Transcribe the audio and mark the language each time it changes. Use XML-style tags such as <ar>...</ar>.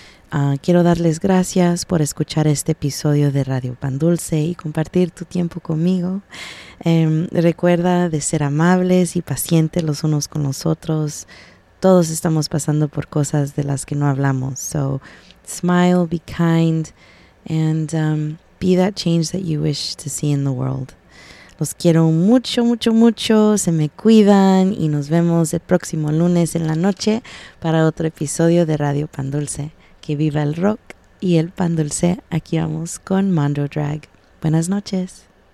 <es>Quiero darles gracias por escuchar este episodio de Radio Pan Dulce y compartir tu tiempo conmigo. Recuerda de ser amables y pacientes los unos con los otros. Todos estamos pasando por cosas de las que no hablamos.</es> <en>So, smile, be kind, and be that change that you wish to see in the world.</en> <es>Los quiero mucho, mucho, mucho. Se me cuidan y nos vemos el próximo lunes en la noche para otro episodio de Radio Pan Dulce. Que viva el rock y el pan dulce. Aquí vamos con Mondo Drag. Buenas noches.</es>